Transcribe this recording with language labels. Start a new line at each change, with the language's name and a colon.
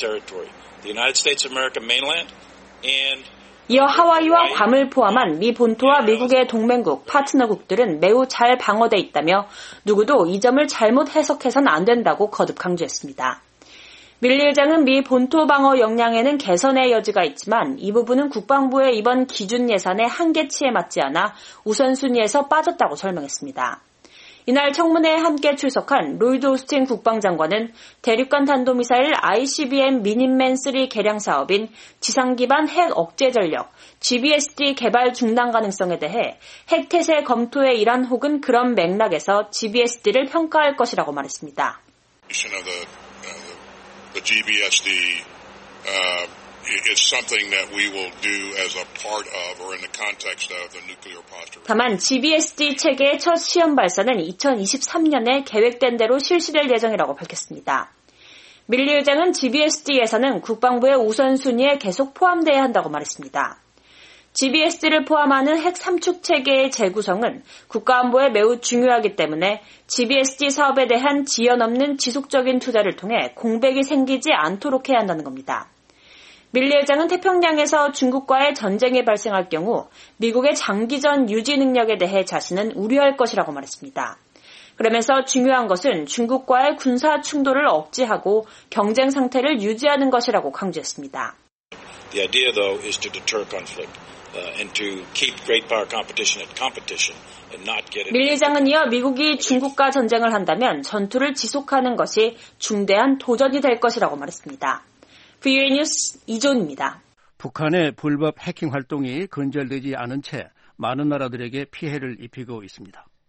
English: territory, the United States of America mainland, and
Korean: 이어 하와이와 괌을 포함한 미 본토와 미국의 동맹국 파트너국들은 매우 잘 방어돼 있다며 누구도 이 점을 잘못 해석해선 안 된다고 거듭 강조했습니다. 밀리 의장은 미 본토 방어 역량에는 개선의 여지가 있지만 이 부분은 국방부의 이번 기준 예산의 한계치에 맞지 않아 우선순위에서 빠졌다고 설명했습니다. 이날 청문회에 함께 출석한 로이드 오스틴 국방장관은 대륙간 탄도미사일 ICBM 미닛맨 3 개량 사업인 지상기반 핵 억제 전력 GBSD 개발 중단 가능성에 대해 핵태세 검토의 일환 혹은 그런 맥락에서 GBSD를 평가할 것이라고 말했습니다.
English: The GBSD is something that we will do as a part of or in the context of the nuclear posture.
Korean: 다만 GBSD 체계의 첫 시험 발사는 2023년에 계획된 대로 실시될 예정이라고 밝혔습니다. 밀리 의장은 GBSD 예산은 국방부의 우선순위에 계속 포함돼야 한다고 말했습니다. GBSD를 포함하는 핵 3축 체계의 재구성은 국가안보에 매우 중요하기 때문에 GBSD 사업에 대한 지연 없는 지속적인 투자를 통해 공백이 생기지 않도록 해야 한다는 겁니다. 밀리 회장은 태평양에서 중국과의 전쟁이 발생할 경우 미국의 장기전 유지 능력에 대해 자신은 우려할 것이라고 말했습니다. 그러면서 중요한 것은 중국과의 군사 충돌을 억제하고 경쟁 상태를 유지하는 것이라고 강조했습니다.
English: The idea though is to deter conflict and to keep great power competition at competition.
Korean: 밀리 의장은 이어 미국이 중국과 전쟁을 한다면 전투를 지속하는 것이 중대한 도전이 될 것이라고 말했습니다. VOA 뉴스 이존입니다. 북한의 불법 해킹 활동이 근절되지 않은 채 많은 나라들에게 피해를 입히고 있습니다.